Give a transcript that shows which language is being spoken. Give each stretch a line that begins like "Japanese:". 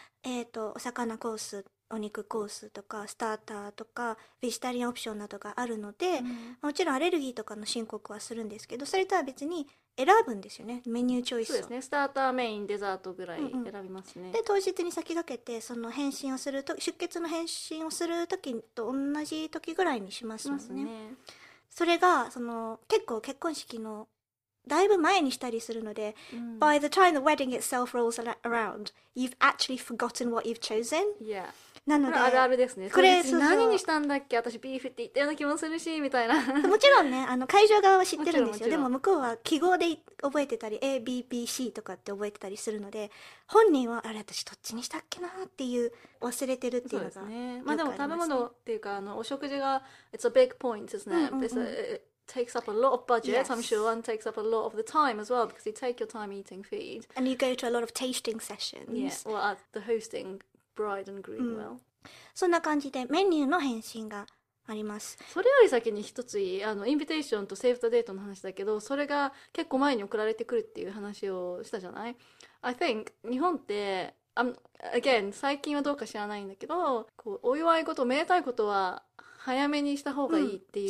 Japanese: ね、お魚コースお肉コースとかスターターとかベジタリアンオプションなどがあるので、うん、もちろんアレルギーとかの申告はするんですけどそれとは別に選ぶんですよねメニューチョイスをそうですねスターターメインデザートぐらい選びますね、うんうん、で当日に先駆けてその返信をすると出血の返信をする時と同じ時ぐらいにしますもん ね、 ますねそれがその結構結婚式のだいぶ前にしたりするので、うん、
English: By the time the wedding itself rolls around, you've actually forgotten what you've chosen. Yeah.
Japanese: なので、あるあるですね。これ何にしたんだっけ？私ビーフって言ったような気もするし、みたいな。もちろんね、あの会場側は知ってるんですよ。でも向こうは記号で覚えてたり、A、B、B、C とかって覚えてたりするので、本人はあれ私どっちにしたっけなっていう忘れてるっていうのが、そうですね。まあでも食べ物っていうかあのお食事が
English: It's a big point, isn't it? Takes up a lot of budget. Yes. I'm sure, and takes up a lot of the time as well because you take your time eating food. And you go to a lot of tasting sessions. Yes. Yeah. Well, at the hosting bride and groom、mm. well.
Japanese: そんな感じでメニューの返信があります。それより先に一ついいあのインビテーションとセーブ・ザ・デートの話だけど、それが結構前に送られてくるっていう話をしたじゃない。
English: I think
Japanese: 日本って
English: Again、
Japanese: 最近はどうか知らないんだけど、こうお祝い事、めでたいことは早めにした方がいいってい